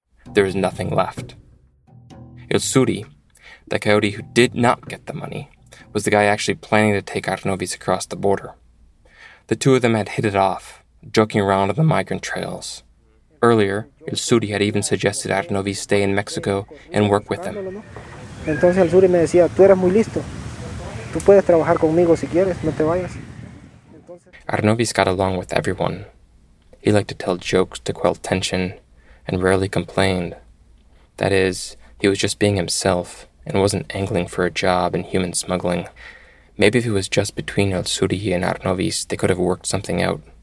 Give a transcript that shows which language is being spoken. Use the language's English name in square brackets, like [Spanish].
[English] There was nothing left. El Suri, the coyote who did not get the money, was the guy actually planning to take Arnovis across the border. The two of them had hit it off, joking around on the migrant trails. Earlier, El Suri had even suggested Arnovis stay in Mexico and work with them. [Spanish] Entonces El Suri me decía, tú eres muy listo. Tú puedes trabajar conmigo si quieres, no te vayas. [English] Arnovis got along with everyone. He liked to tell jokes to quell tension and rarely complained. That is, he was just being himself and wasn't angling for a job in human smuggling. Maybe if it was just between El Suri and Arnovis, they could have worked something out.